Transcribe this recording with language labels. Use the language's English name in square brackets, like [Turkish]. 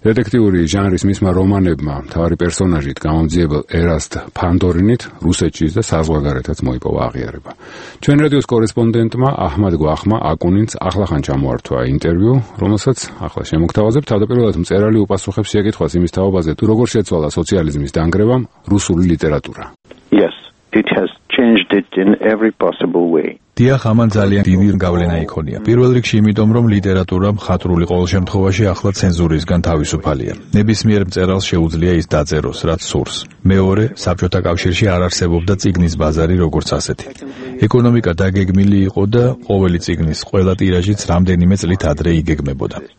[Georgian] დეტექტიური ჟანრის მისმა რომანებმა, მთავარი პერსონაჟით გამომძიებელ ერასტ ფანდორინით, რუსეთში და საზღვარგარეთაც მოიპოვა აღიარება. ჩვენ რადიოს კორესპონდენტმა აჰმად გვახმა აკუნინს ახლახან ჩამოართვა ინტერვიუ, რომელსაც ახლა შემოგთავაზებ. თავდაპირველად მწერალი უპასუხებს შეკითხვას იმის თაობაზე, თუ როგორ შეცვალა სოციალიზმის დანგრევამ რუსული ლიტერატურა. [English] Yes, it has changed it in every possible way. [Georgian] დიახ, ამან ძალიან დიდი გავლენა იქონია. პირველ რიგში იმიტომ, რომ ლიტერატურა მხატვრული ყოველ შემთხვევაში ახლა ცენზურისგან თავისუფალია. ნებისმიერ მწერალს შეუძლია ის დაწეროს, რაც სურს. მეორე, საბჭოთა კავშირში არ არსებობდა წიგნის ბაზარი როგორც ასეთი. ეკონომიკა დაგეგმილი იყო და ყოველი წიგნის ყველა ტირაჟიც რამდენიმე წლით ადრე იგეგმებოდა.